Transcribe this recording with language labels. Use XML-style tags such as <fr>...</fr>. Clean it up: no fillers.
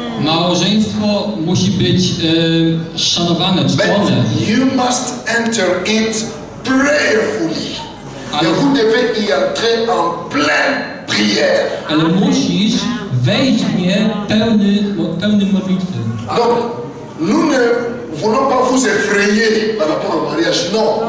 <pl>Małżeństwo musi być szanowane, czcone.</pl> <en>You must enter it prayerfully.</en> <fr>Ale vous devez y entrer en pleine prière.</fr> <pl>Ale musisz wejść w nie pełny modlitwy. Dobrze.</pl> <fr>Nous ne voulons pas vous effrayer par rapport au mariage, non.</fr>